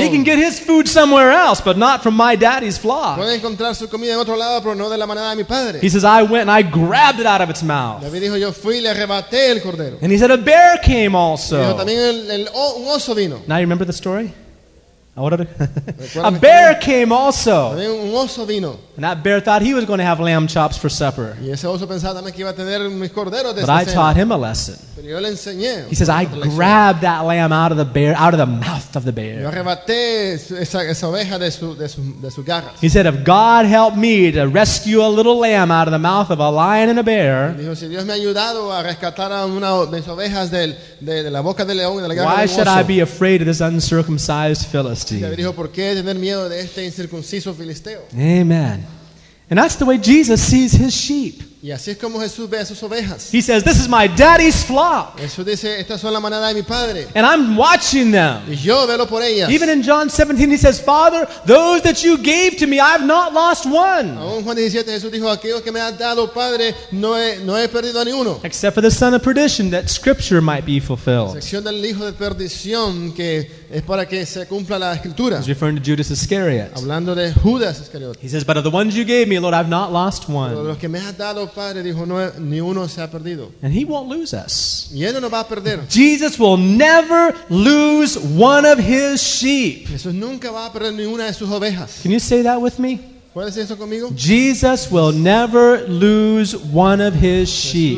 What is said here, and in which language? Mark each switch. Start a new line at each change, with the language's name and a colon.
English: He can get his food somewhere else, but not from my daddy's flock.
Spanish: Puede encontrar su comida en otro lado, pero no de la manada de mi padre.
English: He says, I went and I grabbed it out of its mouth.
Spanish: David dijo, yo fui y le arrebaté el cordero.
English: And he said, a bear came also.
Spanish: Dijo, también un oso vino.
English: Now you remember the story? A bear came also.
Spanish: Un oso vino.
English: And that bear thought he was going to have lamb chops for supper.
Spanish: Y ese oso pensaba también que iba a tener mis corderos de
English: but I
Spanish: cena.
English: Taught him a lesson.
Spanish: Pero yo le enseñé.
English: He says, I grabbed that lamb out of the bear, out of the mouth of the bear.
Spanish: Yo arrebaté esa oveja de sus garras.
English: He said, if God helped me to rescue a little lamb out of the mouth of a lion and a bear,
Spanish: dijo, si Dios me ha ayudado a rescatar a una de mis ovejas de la boca del león y de la garra del oso,
English: why should I be afraid of this uncircumcised Philistine? Amen. And that's the way Jesus sees his sheep.
Spanish: Y así es como Jesús ve a sus ovejas.
English: He says, this is my daddy's flock.
Spanish: Jesús dice, estas son la manada de mi padre.
English: And I'm watching them.
Spanish: Y yo velo por ellas.
English: Even in John 17, he says, Father, those that you gave to me, I've not lost one.
Spanish: Aún Juan 17, Jesús dijo, aquellos que me has dado, Padre, no he perdido a ninguno.
English: Except for the son of perdition, that scripture might be fulfilled.
Spanish: La sección del hijo de perdición, que es para que se cumpla la escritura.
English: He's referring to Judas Iscariot.
Spanish: Hablando de Judas Iscariot.
English: He says, but of the ones you gave me, Lord, I've not lost one.
Spanish: Los que me has dado, Padre dijo, no, ni uno se ha perdido.
English: And he won't lose us.
Spanish: Y él no nos va a perder.
English: Jesus will never lose one of his sheep.
Spanish: Jesús nunca va a perder ni una de sus ovejas.
English: Can you say that with me?
Spanish: ¿Puedes decir eso conmigo?
English: Jesus will never lose one of his sheep.